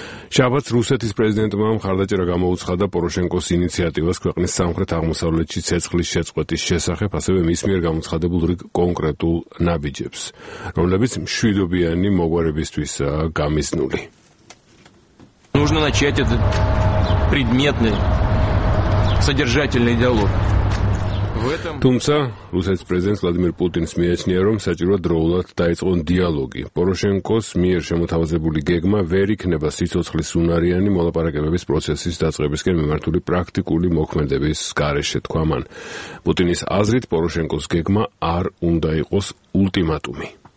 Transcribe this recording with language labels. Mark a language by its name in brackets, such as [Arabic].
[Georgian] შაბათს რუსეთის პრეზიდენტმა მხარდაჭერა გამოუცხადა პოროშენკოს ინიციატივას ქვეყნის სამხრეთ-აღმოსავლეთში ცეცხლის შეწყვეტის შესახებ, ასევე მის მიერ გამოცხადებულ კონკრეტულ ნაბიჯებს, რომლებიც მშვიდობიანი მოგვარებისთვის გამიზნული. [Russian] Нужно начать этот предметный содержательный диалог. [Georgian] თუმცა, რუსეთის პრეზიდენტს ვლადიმერ პუტინს მიაჩნია, რომ საჭირო დროულად დაიწყონ დიალოგი. პოროშენკოს მიერ შემოთავაზებული გეგმა ვერ იქნება სიცოცხლის უნარიანი მოლაპარაკებების პროცესის დაწყებისკენ მიმართული პრაქტიკული მოქმედების გარეშე, თქვა მან. პუტინის აზრით, პოროშენკოს გეგმა არ უნდა იყოს ულტიმატუმი.